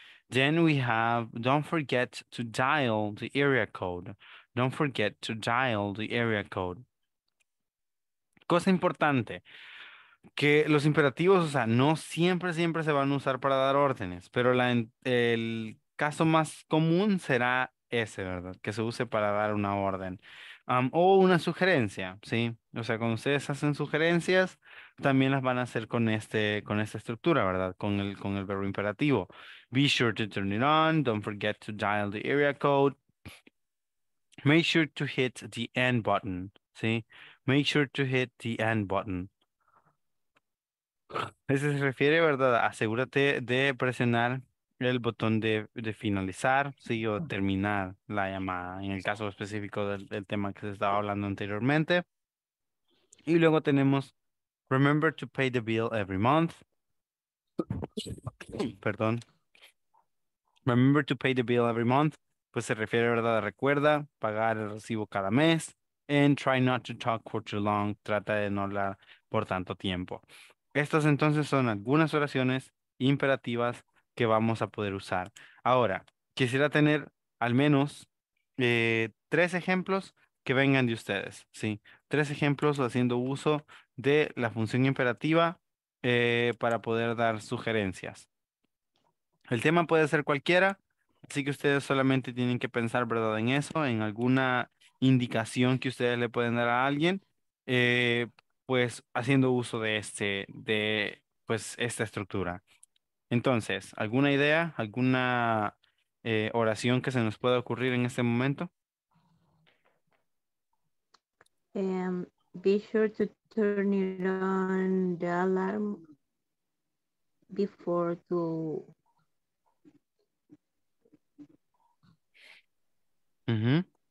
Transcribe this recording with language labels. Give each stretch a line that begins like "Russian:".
English: Then we have, don't forget to dial the area code. Don't forget to dial the area code.
Spanish: Cosa importante, que los imperativos, o sea, no siempre, siempre se van a usar para dar órdenes, pero el caso más común será ese, ¿verdad? Que se use para dar una orden. O una sugerencia, ¿sí? O sea, cuando ustedes hacen sugerencias, también las van a hacer con esta estructura, ¿verdad? Con el verbo imperativo.
English: Be sure to turn it on. Don't forget to dial the area code. Make sure to hit the end button, ¿sí? Make sure to hit the end button.
Spanish: Ese se refiere, ¿verdad? Asegúrate de presionar el botón de finalizar, sí, o terminar la llamada, en el caso específico del tema que se estaba hablando anteriormente. Y luego tenemos,
English: remember to pay the bill every month.
Spanish: Perdón.
English: Remember to pay the bill every month.
Spanish: Pues se refiere, ¿verdad? Recuerda pagar el recibo cada mes.
English: And try not to talk for too long.
Spanish: Trata de no hablar por tanto tiempo. Estas entonces son algunas oraciones imperativas que vamos a poder usar. Ahora, quisiera tener al menos tres ejemplos que vengan de ustedes, ¿sí? Tres ejemplos haciendo uso de la función imperativa para poder dar sugerencias. El tema puede ser cualquiera, así que ustedes solamente tienen que pensar, ¿verdad?, en eso, en alguna indicación que ustedes le pueden dar a alguien, pues haciendo uso de esta estructura. Entonces, ¿alguna idea, alguna oración que se nos pueda ocurrir en este momento?
English: Be sure to turn it on the alarm before to... Uh-huh.